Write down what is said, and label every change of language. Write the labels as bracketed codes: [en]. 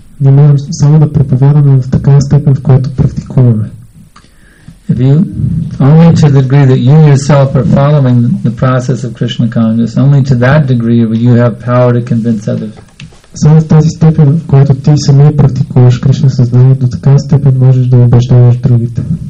[bg] Не можем само да проповядаме в такава степен, в която практикуваме. [en] If you only to the degree that you yourself are following the process of Krishna consciousness, only to that degree will you have power to convince others. [bg] Само в тази степен, в която ти самия практикуваш Кришна съзнание, до такава степен можеш да убеждаваш другите.